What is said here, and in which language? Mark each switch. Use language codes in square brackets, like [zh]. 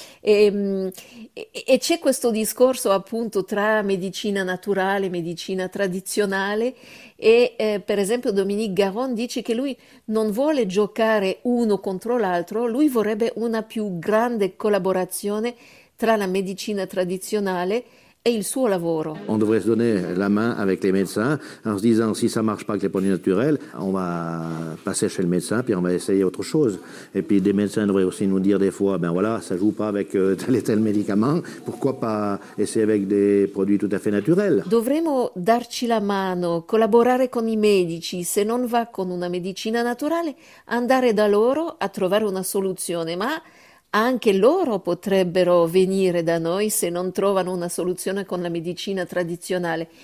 [it] E c'è questo discorso appunto tra medicina naturale e medicina tradizionale e per esempio Dominique Garon dice che lui non vuole giocare uno contro l'altro, lui vorrebbe una più grande collaborazione tra la medicina tradizionale e il suo lavoro. [fr] On devrait se donner la main avec les médecins en se disant si ça marche pas avec les produits naturels, on va passer chez le médecin puis on va essayer autre chose. Et puis des médecins devraient aussi nous dire des fois ben voilà, ça joue pas avec tel et tel médicament, pourquoi pas essayer avec des produits tout à fait naturels. [it] Dovremmo darci la mano, collaborare con i medici, se non va con una medicina naturale, andare da loro a trovare una soluzione, ma anche loro potrebbero venire da noi se non trovano una soluzione con la medicina tradizionale.